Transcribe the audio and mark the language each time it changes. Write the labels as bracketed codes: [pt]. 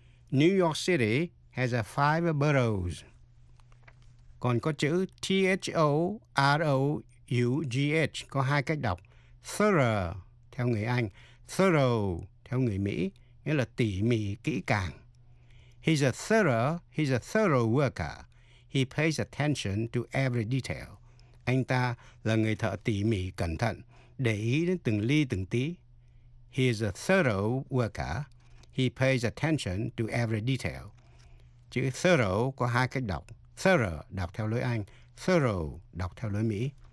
[en] New York City has a five boroughs. [vi] Còn có chữ [en] T-H-O-R-O-U-G-H [vi] U-G-H có hai cách đọc. Thorough theo người Anh, thorough theo người Mỹ, nghĩa là tỉ mỉ, kỹ càng. [en] He's a thorough worker. He pays attention to every detail. [vi] Anh ta là người thợ tỉ mỉ, cẩn thận, để ý đến từng ly từng tí. [en] He is a thorough worker. He pays attention to every detail. [vi] Chữ thorough có hai cách đọc. Thorough đọc theo lối Anh, thorough đọc theo lối Mỹ.